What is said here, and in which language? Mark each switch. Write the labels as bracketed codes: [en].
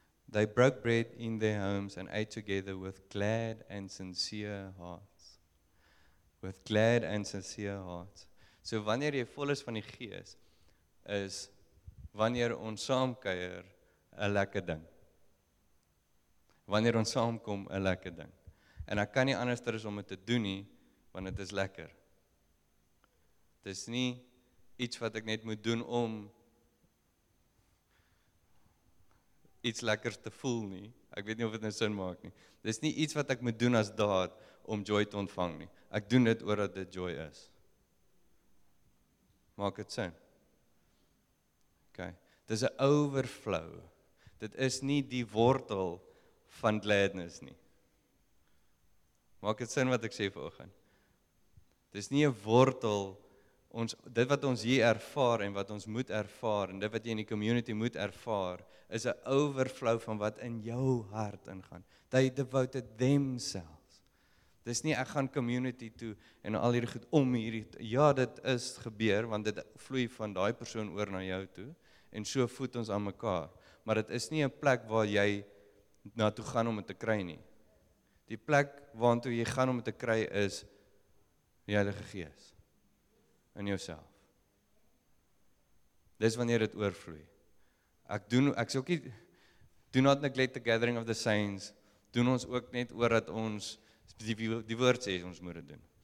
[en] They broke bread in their homes and ate together with glad and sincere hearts. With glad and sincere hearts. [af] So wanneer jy vol is van die gees, is wanneer ons saamkuier, 'n lekker ding. Wanneer ons saamkom, 'n lekker ding. En ek kan nie anders as om dit te doen nie, want dit is lekker. Dit is nie iets wat ek net moet doen om iets lekkers te voel nie. Ek weet nie of dit nou sin maak nie. Dit is nie iets wat ek moet doen as daad om joy te ontvang nie. Ek doen dit oor dat dit joy is. Maak het sin? Ok. Dit is 'n overflow. Dit is nie die wortel van gladness nie. Maak het sin wat ek sê vanoggend? Dit is nie 'n wortel ons, dit wat ons hier ervaar en wat ons moet ervaar en dit wat jy in die community moet ervaar, is een overflow van wat in jou hart ingaan. [en] They devoted themselves. [af] Dit is nie, ek gaan community toe en al hierdie goed om hierdie, ja, dit is gebeur, want dit vloei van die persoon oor na jou toe, en so voed ons aan mekaar. Maar dit is nie een plek waar jy naartoe gaan om het te kry nie. Die plek waartoe jy gaan om het te kry is die Heilige Gees. In jouself. Dis wanneer dit oorvloei. Ek sê ook nie, [en] do not neglect the gathering of the saints, [af] doen ons ook net oor dat ons, die woord sê, ons moet dit doen.